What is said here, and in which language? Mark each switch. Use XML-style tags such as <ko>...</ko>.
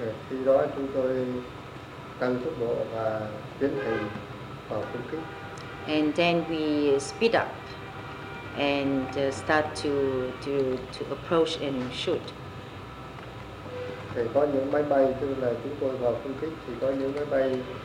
<vi>Khi đó chúng tôi tăng tốc độ và tiến hành vào công kích.</vi> <en>And then we speed up and start to approach and shoot.</en> <vi>Thì có những máy bay tức là chúng tôi vào công kích thì có những máy bay</vi>